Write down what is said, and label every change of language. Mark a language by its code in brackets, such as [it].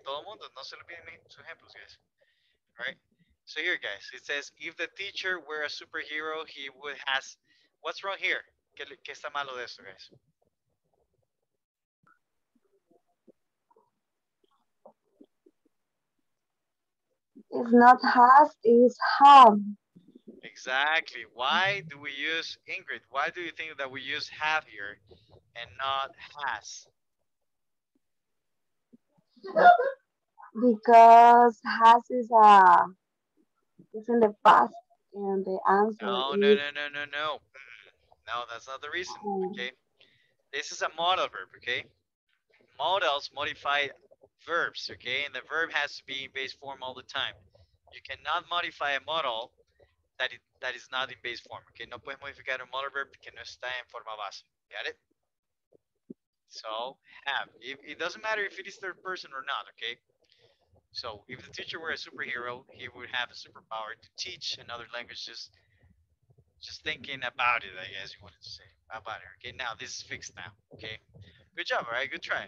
[es] Todo mundo, no se le piden sus ejemplos, guys. [en] All right? So here, guys, it says, if the teacher were a superhero, he would has, what's wrong here? [es] ¿Qué está malo de esto, guys? [en] It's not has, it's have. Exactly. Why do we use, Ingrid, why do you think that we use have here and not has? Because has is it's in the past and the answer No. No, that's not the reason, okay? This is a modal verb, okay? Modals modify verbs, okay? And the verb has to be in base form all the time. You cannot modify a modal that is not in base form. [es] Okay, no puedes modificar un modal verb que no está en forma base. [en] Got it? So have. It doesn't matter if it is third person or not. Okay. So if the teacher were a superhero, he would have a superpower to teach another language. Just thinking about it, I guess you wanted to say about it. Okay. Now this is fixed now. Okay. Good job. All right. Good try.